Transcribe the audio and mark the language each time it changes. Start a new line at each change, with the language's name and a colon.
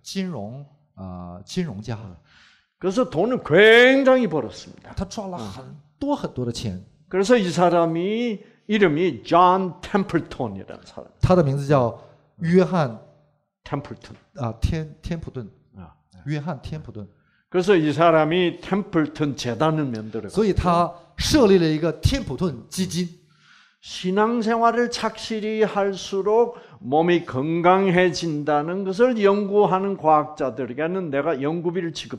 Chinese: 他是美国的非常著名的一个金融家。
Korean: 그래서 돈을 굉장히 벌었습니다.
Chinese: 他赚了很多很多的钱。
Korean: 그래서 이 사람이 이름이 존 템플턴이라는 사람.
Chinese: 他的名字叫约翰
Korean: 템플턴.
Chinese: 아天普顿 아, 约翰 템普顿.
Korean: 그래서 이 사람이 템플턴 재단을 만들어.
Chinese: 所以他设立了一个天普顿基金。
Korean: 신앙생활을 착실히 할수록 몸이 건강해진다는 것을 연구하는 과학자들에게는 내가 연구비를